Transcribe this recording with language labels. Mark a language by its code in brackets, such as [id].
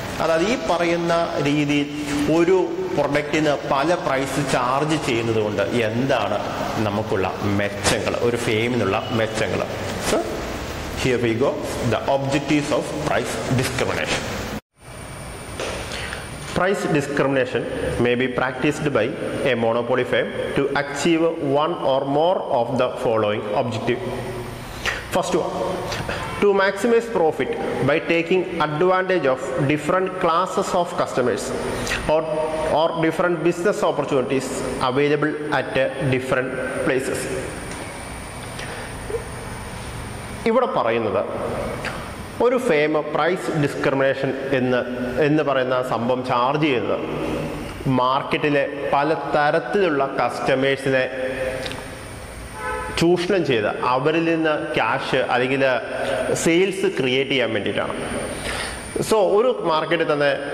[ml] അതായത് ഈ പറയുന്ന രീതിയിൽ ഒരു പ്രൊഡക്റ്റിന് പല പ്രൈസ് ചാർജ് ചെയ്യുന്നത് കൊണ്ട് എന്താണ് നമുക്കുള്ള മെച്ചങ്ങൾ, ഒരു ഫെയിമിനുള്ള മെച്ചങ്ങൾ. [en] So here we go, the objectives of price discrimination. Price discrimination may be practiced by a monopoly firm to achieve one or more of the following objective. First one, to maximize profit by taking advantage of different classes of customers or different business opportunities available at different places. [ml] ഇവിടെ പറയുന്നത് ഒരു fame price discrimination എന്ന് പറയുന്ന സംഭവം charge ചെയ്യുന്നത് മാർക്കറ്റിലെ പല തരത്തിലുള്ള കസ്റ്റമേഴ്സിനെ ചൂഷണം ചെയ്ത് അവരിൽ നിന്ന് ക്യാഷ് അല്ലെങ്കിൽ സെയിൽസ് ക്രിയേറ്റ് ചെയ്യാൻ വേണ്ടിയിട്ടാണ്. സോ ഒരു മാർക്കറ്റിൽ തന്നെ